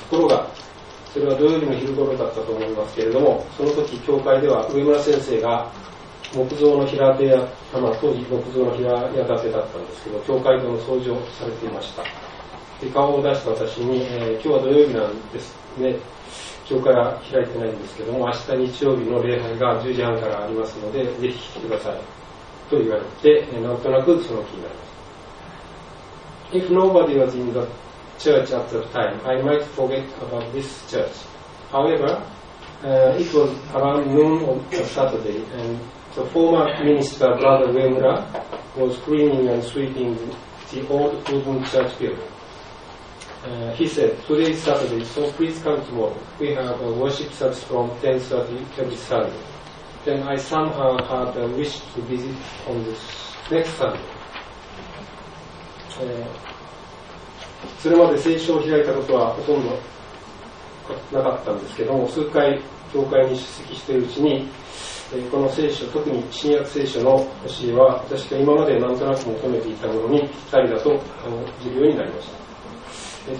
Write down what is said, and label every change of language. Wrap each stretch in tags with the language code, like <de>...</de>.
<ja>ところが、それは土曜日の昼頃だったと思いますけれども、その時教会では上村先生が木造の平手や、まあ、当時木造の平屋建てだったんですけど、教会堂の掃除をされていました。で、顔を出した私に、今日は土曜日なんですね、教会は開いてないんですけども、明日日曜日の礼拝が10時半からありますので、ぜひ来てくださいと言われて、なんとなくその気になりました。</ja> <en>If nobody was in the church at the time, I might forget about this church. However, it was around noon on a Saturday andThe former minister, Brother Uemura, was cleaning and sweeping the old wooden church building. He said, "Today is Saturday, so please come tomorrow. We have a worship service from 10:30 every Sunday." Then I somehow had a wish to visit on the next Sunday.</en> <ja>それまで聖書を開いたことはほとんどなかったんですけども、数回教会に出席しているうちに、この聖書、特に新約聖書の教えは、私が今までなんとなく求めていたものにぴったりだと感じるようになりました。</ja>